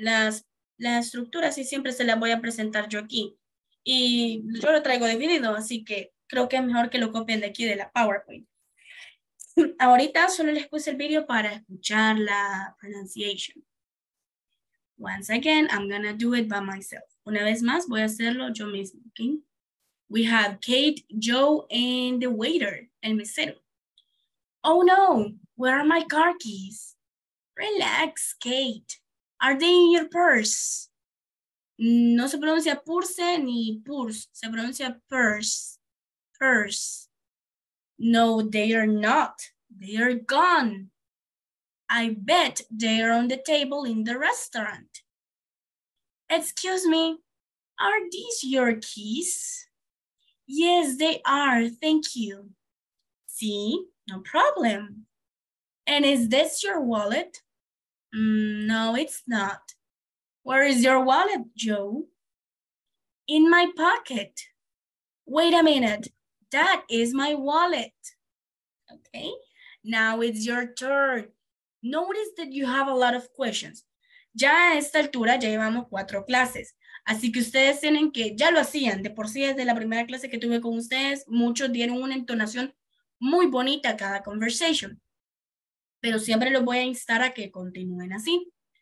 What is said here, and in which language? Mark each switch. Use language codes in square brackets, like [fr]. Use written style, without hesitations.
[es] La estructura sí siempre se la voy a presentar yo aquí. Y yo lo traigo dividido, así que creo que es mejor que lo copien de aquí de la PowerPoint. Ahorita solo les puse el video para escuchar la pronunciation. [en] Once again, I'm gonna do it by myself. [es] Una vez más, voy a hacerlo yo mismo, okay? [en] We have Kate, Joe, and the waiter, [es] el mesero. [en] Oh no, where are my car keys? Relax, Kate. Are they in your purse? [es] No se pronuncia purse ni purse, se pronuncia purse. [en] Purse. No, they are not. They are gone. I bet they are on the table in the restaurant. Excuse me, are these your keys? Yes, they are. Thank you. See, no problem. And is this your wallet? No, it's not. Where is your wallet, Joe? In my pocket. Wait a minute. That is my wallet. Okay, now it's your turn. Notice that you have a lot of questions. [es] Ya a esta altura ya llevamos 4 clases. Así que ustedes tienen que, ya lo hacían, de por sí desde la primera clase que tuve con ustedes, muchos dieron una entonación muy bonita a cada conversation. Pero siempre los voy a instar a que continúen así.